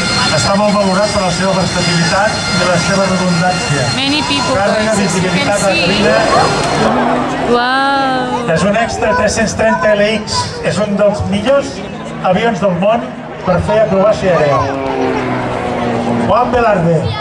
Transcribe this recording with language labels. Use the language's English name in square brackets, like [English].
[Catalan] Està molt valorat per la seva versatilitat I la seva redundància. [English] Many people, guys, as you can see. Wow. [Catalan] És un extra 330 LX. És un dels millors avions del món per fer acrobàcia aèria. Juan Velarde.